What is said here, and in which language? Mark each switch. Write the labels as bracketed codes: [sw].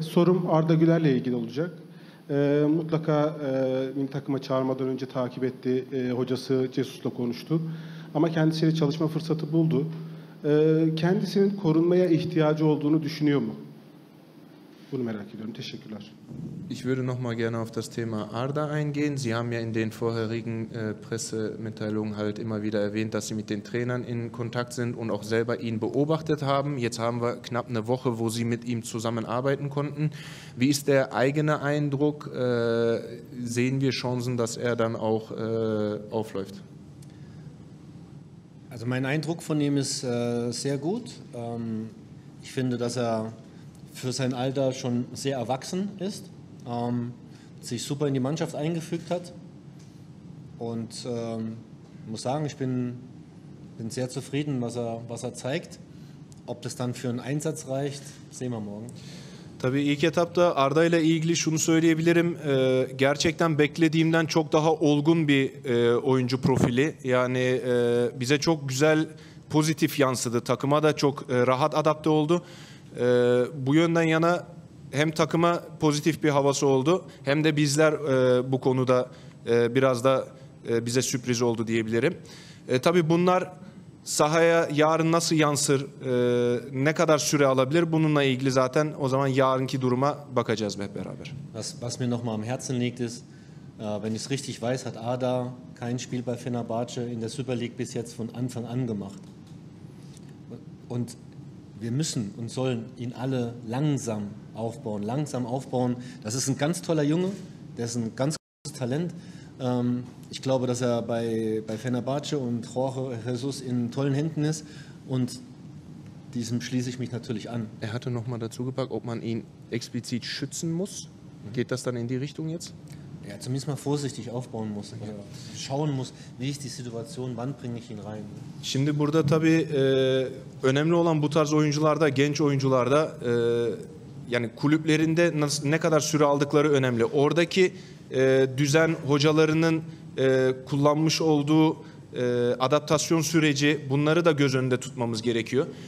[tr] Sorum Arda Güler'le ilgili olacak. Mutlaka milli takıma çağırmadan önce takip etti. Hocası Cesus'la konuştu. Ama kendisiyle çalışma fırsatı buldu. Kendisinin korunmaya ihtiyacı olduğunu düşünüyor mu? Bunu merak ediyorum. Teşekkürler. [de] Ich würde noch mal gerne auf das Thema Arda eingehen. Sie haben ja in den vorherigen Pressemitteilungen halt immer wieder erwähnt, dass Sie mit den Trainern in Kontakt sind und auch selber ihn beobachtet haben. Jetzt haben wir knapp eine Woche, wo Sie mit ihm zusammenarbeiten konnten. Wie ist der eigene Eindruck? Sehen wir Chancen, dass er dann auch aufläuft? Also mein Eindruck von ihm ist sehr gut. Ich finde, dass er für sein Alter schon sehr erwachsen ist, sich super in die Mannschaft eingefügt hat und muss sagen, ich bin sehr zufrieden, was er zeigt. Ob das dann für einen Einsatz reicht, sehen wir morgen. [tr] Tabii ilk etapta Arda ile ilgili şunu söyleyebilirim. Gerçekten beklediğimden çok daha olgun bir oyuncu profili. Yani bize çok güzel, pozitif yansıdı. Takıma da çok rahat adapte oldu. Bu yönden yana hem takıma pozitif bir havası oldu hem de bizler bu konuda biraz da bize sürpriz oldu diyebilirim. Tabii bunlar sahaya yarın nasıl yansır, ne kadar süre alabilir bununla ilgili zaten o zaman yarınki duruma bakacağız hep beraber. [de] Was mir noch mal am Herzen liegt ist, wenn ich es richtig weiß, hat Arda kein Spiel bei Fenerbahçe in der Super League bis jetzt von Anfang an gemacht. Und wir müssen und sollen ihn alle langsam aufbauen, langsam aufbauen. Das ist ein ganz toller Junge, der ist ein ganz großes Talent. Ich glaube, dass er bei Fenerbahce und Jorge Jesus in tollen Händen ist und diesem schließe ich mich natürlich an. Er hatte noch mal dazu gepackt, ob man ihn explizit schützen muss. Mhm. Geht das dann in die Richtung jetzt? Ja, zumindest mal vorsichtig aufbauen muss. Ja. Schauen muss, wie ist die Situation, wann bringe ich ihn rein. [tr] Şimdi burada tabii önemli olan bu tarz oyuncularda, genç oyuncularda yani kulüplerinde ne kadar süre aldıkları önemli. Oradaki düzen hocalarının kullanmış olduğu adaptasyon süreci bunları da göz önünde tutmamız gerekiyor.